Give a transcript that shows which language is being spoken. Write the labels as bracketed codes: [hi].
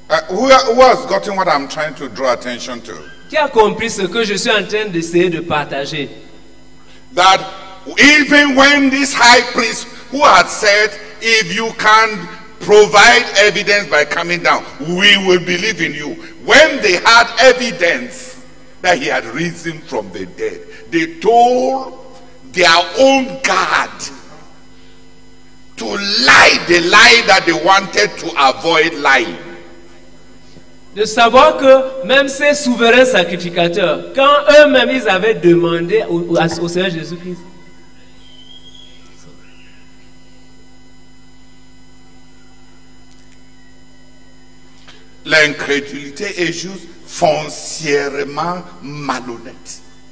[en] Who has gotten what I'm trying to draw attention to? [fr] Qui a compris ce que je suis en train d'essayer de partager? [en] That even when this high priest who had said, if you can't provide evidence by coming down, we will believe in you. When they had evidence that he had risen from the dead, they told their own God to lie the lie that they wanted to avoid lying. [fr] De savoir que même ces souverains sacrificateurs, quand eux-mêmes ils avaient demandé au Seigneur Jésus-Christ, l'incrédulité est juste foncièrement malhonnête.